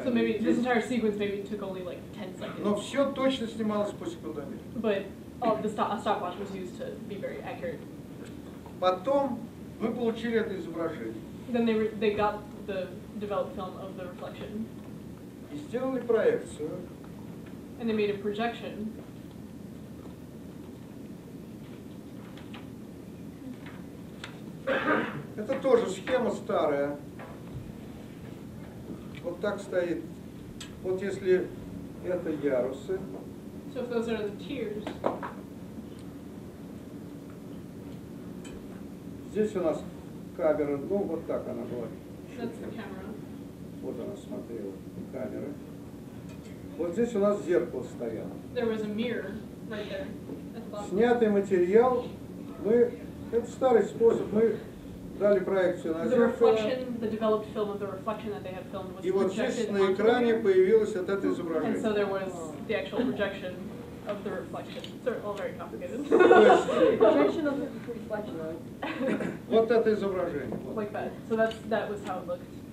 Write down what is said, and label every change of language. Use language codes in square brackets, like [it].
[en] So maybe this entire sequence maybe took only like 10 seconds. [ru] Но все точно снималось по секундомеру. [en] But a stopwatch was used to be very accurate. [ru] Потом мы получили это изображение. [en] Then they got the developed film of the reflection. [ru] И сделали проекцию. [en] And they made a projection. [ru] Это тоже схема старая. Вот так стоит. Вот если это ярусы. [en] So if those are the tiers. [ru] Здесь у нас камера, ну вот так она была. [en] That's the camera. [ru] Вот она смотрела, камера. Вот здесь у нас зеркало стояло. [en] There was a mirror right there. [ru] Снятый материал, мы, это старый способ, мы дали проекцию на зеркало. [en] The reflection, the developed film of the reflection that they had filmed was projected onto the mirror. [ru] И вот здесь на экране появилось вот это изображение. [en] And so there was the actual projection of the reflection. It's all very complicated. Projection of the reflection. [ru] Вот это изображение. [en] Like that. So that's, that was how it looked.